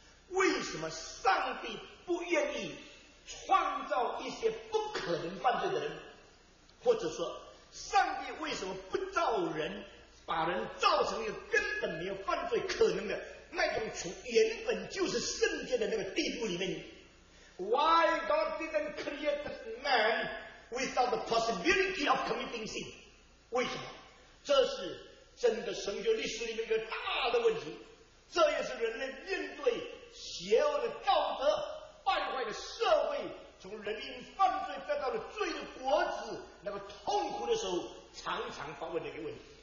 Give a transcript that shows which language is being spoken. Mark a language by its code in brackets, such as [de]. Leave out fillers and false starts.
[zh] 为什么上帝不愿意创造一些不可能犯罪的人？或者说上帝为什么不造人，把人造成一个根本没有犯罪可能的那种从原本就是圣洁的那个地步里面？ [en] Why God didn't create man without the possibility of committing sin? [zh] 为什么？这是整个神学历史里面一个大的问题，这也是人类面对邪恶的道德、败坏的社会，从人因犯罪得到了罪的果子那么痛苦的时候，常常发问的一个问题。